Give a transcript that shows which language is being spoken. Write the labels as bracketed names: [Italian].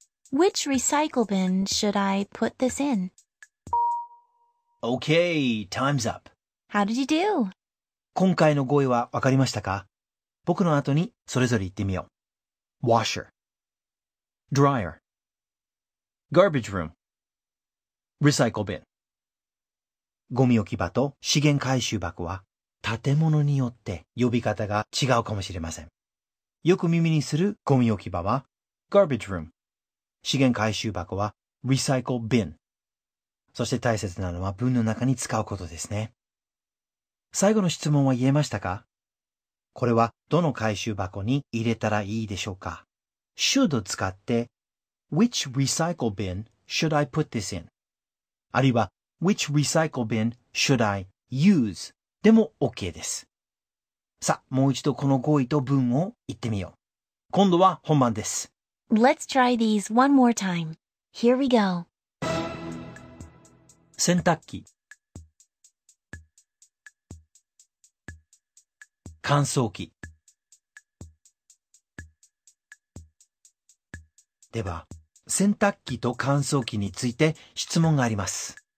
[English] Which recycle bin should I put this in?Okay, time's up!How did you do? [Japanese] 今回の語彙は分かりましたか?僕の後にそれぞれ言ってみよう。 [English] Washer Dryer Garbage Room Recycle Bin [Japanese] ゴミ置き場と資源回収箱は建物によって呼び方が違うかもしれません。よく耳にするゴミ置き場は Garbage Room 資源回収箱は Recycle Bin そして大切なのは文の中に使うことですね。最後の質問は言えましたか?これはどの回収箱に入れたらいいでしょうか? [English] should [Japanese] を使って [English] Which recycle bin should I put this in? [Japanese] あるいは [English] Which recycle bin should I use? [Japanese] でも OK です。さあ、もう一度この語彙と文を言ってみよう。今度は本番です。 [English] Let's try these one more time. Here we go. [Japanese] 洗濯機乾燥機では、洗濯機と乾燥機について質問があります。